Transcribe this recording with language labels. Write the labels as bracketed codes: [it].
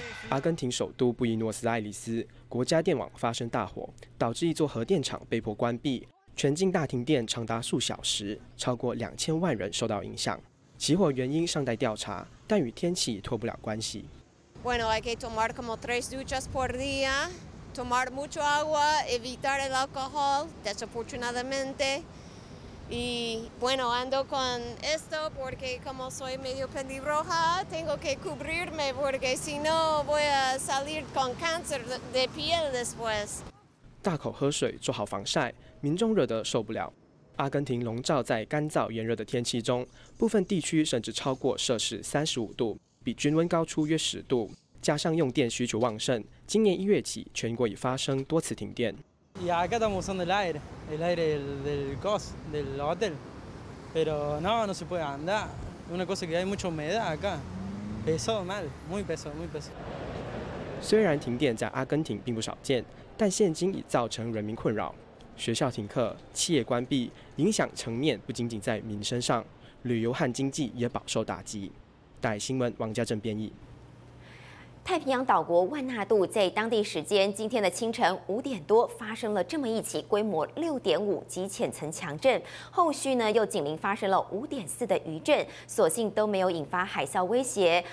[zh] 阿根廷首都布宜诺斯艾利斯国家电网发生大火，导致一座核电厂被迫关闭，全境大停电长达数小时，超过2000万人受到影响。起火原因尚待调查，但与天气脱不了关系。 [es] Bueno, hay que tomar como 3 duchas por día, tomar mucho agua, evitar el alcohol, desafortunadamente. Y bueno, ando con esto porque como soy medio pelirroja, tengo que cubrirme porque si no voy a salir con cáncer de piel después. [zh] 大口喝水，做好防晒，民众热得受不了。阿根廷笼罩在干燥炎热的天气中，部分地区甚至超过摄氏35度，比均温高出约10度。加上用电需求旺盛，今年1月起，全国已发生多次停电。 [es] Y acá estamos usando el aire del gas del hotel, pero no se puede andar. Una cosa que hay mucha humedad acá, pesado mal, muy pesado, muy pesado. [zh] 虽然停电在阿根廷并不少见，但现今已造成人民困扰。学校停课，企业关闭，影响层面不仅仅在民生上，旅游和经济也饱受打击。大新闻王家正编译。太平洋岛国万纳度在当地时间今天的清晨5点多发生了这么一起规模6.5级浅层强震，后续呢又紧邻发生了5.4的余震，所幸都没有引发海啸威胁。